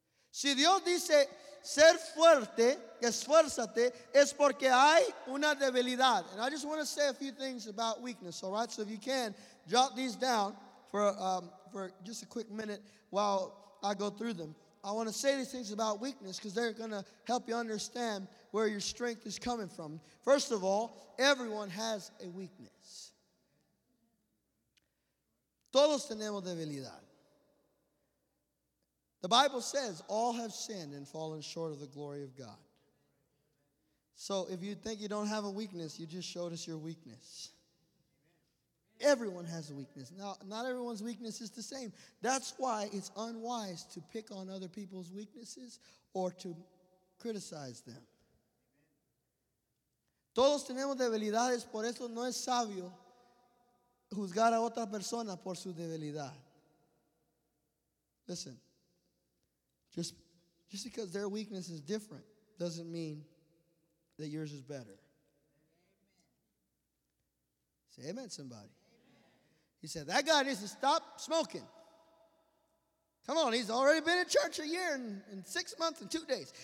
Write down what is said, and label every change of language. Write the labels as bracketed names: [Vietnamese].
[Spanish] Si Dios dice ser fuerte, esfuérzate, es porque hay una debilidad. [English] And I just want to say a few things about weakness, all right? So if you can, jot these down for just a quick minute while I go through them. I want to say these things about weakness because they're going to help you understand where your strength is coming from. First of all, everyone has a weakness. [Spanish] Todos tenemos debilidad. [English] The Bible says all have sinned and fallen short of the glory of God. So if you think you don't have a weakness, you just showed us your weakness. Everyone has a weakness. Now, not everyone's weakness is the same. That's why it's unwise to pick on other people's weaknesses or to criticize them. [Spanish] Todos tenemos debilidades, por eso no es sabio juzgar a otra persona por su debilidad. [English] Listen, just because their weakness is different doesn't mean that yours is better. Say amen, somebody. He said, that guy needs to stop smoking. Come on, he's already been in church a year and 6 months and 2 days.